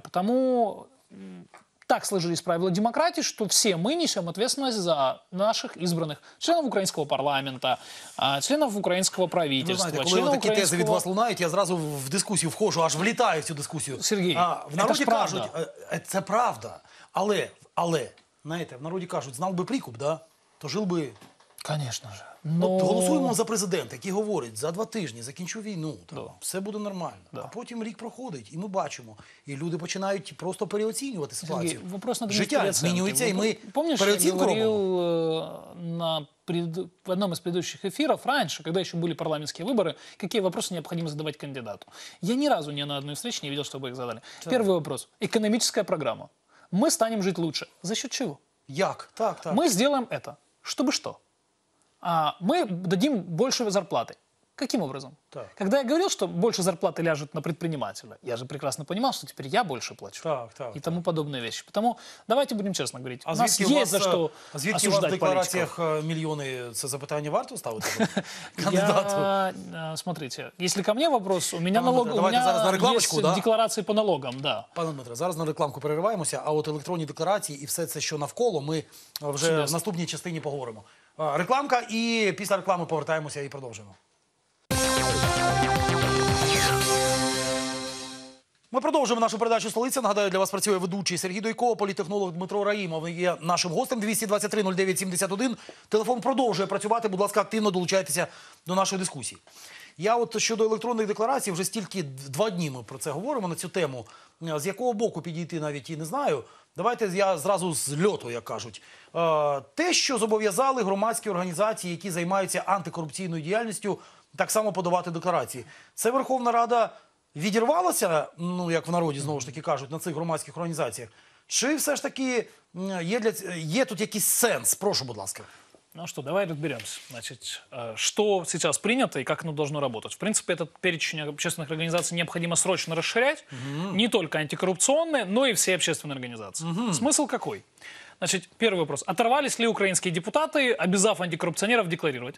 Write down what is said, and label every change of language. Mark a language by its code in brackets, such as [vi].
[ru] Потому так сложились правила демократии, что все мы несем ответственность за наших избранных членов украинского парламента, членов украинского правительства. Вы знаете, когда такие тезы от вас лунают, я сразу в дискуссию вхожу, аж влетаю в эту дискуссию. Сергей, в народе кажут, это правда, але, знаете, в народе кажут, знал бы прикуп, да, то жил бы... Конечно же. [uk] Голосуємо за президента, який говорить, за 2 тижні закінчу війну, все буде нормально. Да. А потім рік проходить, і ми бачимо, і люди починають просто переоцінювати ситуацію. Сергій, вопрос на життя змінюється, і ми переоцінку робимо. Помніш, я говорив в одному з предыдущих ефірів, раніше, коли ще були парламентські вибори, які питання необхідно задавати кандидату. Я ні разу ні на одній зустрічі не бачив, щоб їх задали. Перший вопрос. Економічна програма. Ми станемо жити краще. За счет чого? Як? Так. Ми зробимо це. Щоб що? [ru] Мы дадим больше зарплаты. Каким образом? Так. Когда я говорил, что больше зарплаты ляжет на предпринимателя, я же прекрасно понимал, что теперь я больше плачу. Так. И тому подобные вещи. Потому давайте будем честно говорить. А у нас есть за что осуждать [uk] А звідки у вас в деклараціях мільйони, це запитання варто ставити кандидату? [ru] Смотрите, если ко мне вопрос, у меня налог, у меня [uk] зараз на рекламочку, [ru] есть декларации по налогам. Да. [uk] Пане Дмитре, зараз на рекламку перерываємося, а от електронні декларації і все це, що навколо, ми вже в наступній частині поговоримо. Рекламка, і після реклами повертаємося і продовжимо. Ми продовжуємо нашу передачу «Столиця». Нагадаю, для вас працює ведучий Сергій Дойко, політехнолог Дмитро Раїмов. Є нашим гостем 223-09-71. Телефон продовжує працювати. Будь ласка, активно долучайтеся до нашої дискусії. Я от щодо електронних декларацій, вже стільки два дні ми про це говоримо, на цю тему. З якого боку підійти, навіть і не знаю. Давайте я зразу з льоту, як кажуть. Те, що зобов'язали громадські організації, які займаються антикорупційною діяльністю, так само подавати декларації. Це Верховна Рада відірвалася, ну, як в народі, знову ж таки, кажуть, на цих громадських організаціях? Чи все ж таки є тут якийсь сенс? Прошу, будь ласка. [ru] Ну что, давай разберемся. Значит, что сейчас принято и как оно должно работать? В принципе, этот перечень общественных организаций необходимо срочно расширять. Угу. Не только антикоррупционные, но и все общественные организации. Угу. Смысл какой? Значит, первый вопрос. Оторвались ли украинские депутаты, обязав антикоррупционеров декларировать?